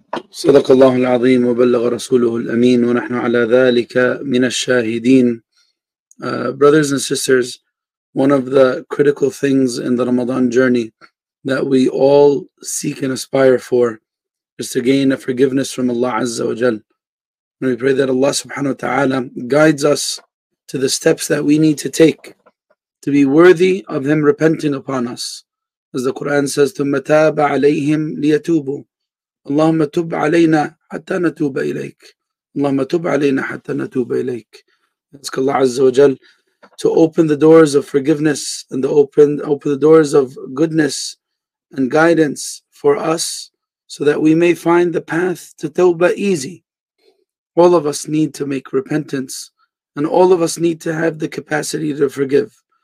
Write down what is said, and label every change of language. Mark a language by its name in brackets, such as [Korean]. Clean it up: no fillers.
[Arabic] صدق الله العظيم وبلغ رسوله الأمين ونحن على ذلك من الشاهدين. [English] Brothers and sisters, one of the critical things in the Ramadan journey that we all seek and aspire for is to gain a forgiveness from Allah Azza wa Jal. And we pray that Allah Subhanahu wa Ta'ala guides us to the steps that we need to take to be worthy of Him repenting upon us. As the Quran says, [Arabic] ثُمَّ تَابَ عَلَيْهِمْ لِيَتُوبُوا اللَّهُمَّ تُبْ عَلَيْنَا حَتَّى نَتُوبَ إِلَيْكَ اللَّهُمَّ تُبْ عَلَيْنَا حَتَّى نَتُوبَ إِلَيْكَ. [English] Ask Allah Azza wa Jal to open the doors of forgiveness and to open the doors of goodness and guidance for us so that we may find the path to tawbah easy. All of us need to make repentance, and all of us need to have the capacity to forgive.